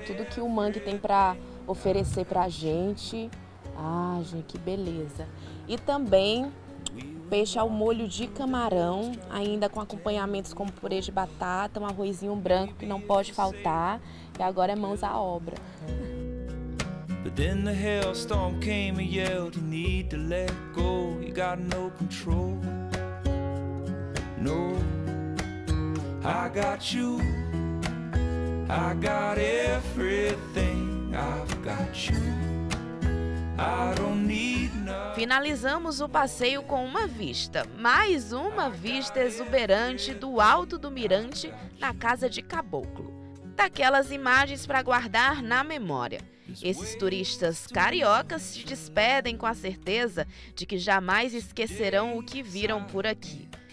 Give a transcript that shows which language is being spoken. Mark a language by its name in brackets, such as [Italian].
[Portuguese] Tudo que o mangue tem para oferecer pra gente. Ah, gente, que beleza. E também peixe ao molho de camarão, ainda com acompanhamentos como purê de batata, um arrozinho branco que não pode faltar. E agora é mãos à obra. [English] But then the hailstorm came and yelled, you need to let go, you got no control. No. I got you, I got everything, I've got you, I don't need nothing. [Portuguese] Finalizamos o passeio com uma vista, mais uma vista exuberante do alto do mirante na casa de caboclo. Daquelas imagens para guardar na memória. Esses turistas cariocas se despedem com a certeza de que jamais esquecerão o que viram por aqui.